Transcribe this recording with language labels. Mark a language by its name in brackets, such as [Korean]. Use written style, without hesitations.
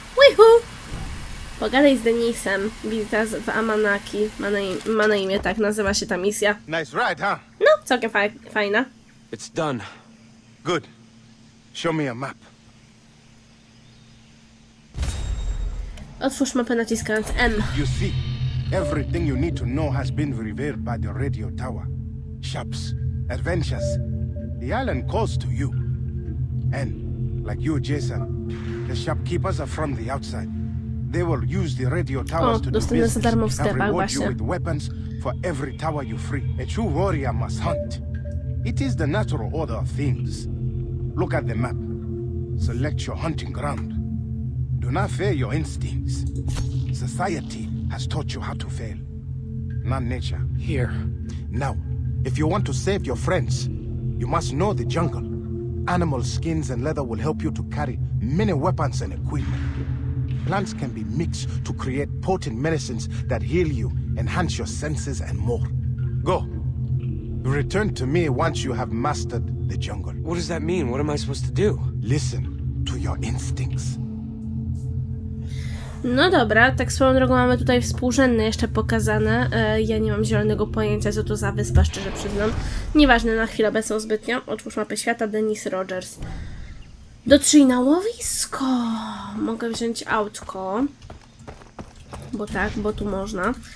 [Polish] Wihu! Pogadaj z Denisem. Wizyta w Amanaki. Ma na imię, tak nazywa się ta misja. [English] Nice ride, huh? [Polish] No, całkiem fajna. [English] It's done. Good. Show me a map. [Polish] Otwórz mapę naciskając M. [English] You see, everything you need to know has been revealed by the radio tower. Shops, adventures. The island calls to you. And, like you, Jason, the shopkeepers are from the outside. They will use the radio towers to do business and reward you with weapons for every tower you free. A true warrior must hunt. It is the natural order of things. Look at the map. Select your hunting ground. Do not fear your instincts. Society has taught you how to fail. Not nature. Here. Now, if you want to save your friends, you must know the jungle. Animal skins and leather will help you to carry many weapons and equipment. Plants can be mixed to create potent medicines that heal you, enhance your senses, and more. Go. Return to me once you have mastered the jungle. What does that mean? What am I supposed to do? Listen to your instincts. [Polish] No dobra, tak swoją drogą mamy tutaj współrzędne jeszcze pokazane. Ja nie mam zielonego pojęcia, co to za wyspa, szczerze przyznam. Nieważne, na chwilę obecną zbytnio. Otwórz mapę świata, Dennis Rogers. Dotrzyj na łowisko! Mogę wziąć autko. Bo tak, bo tu można.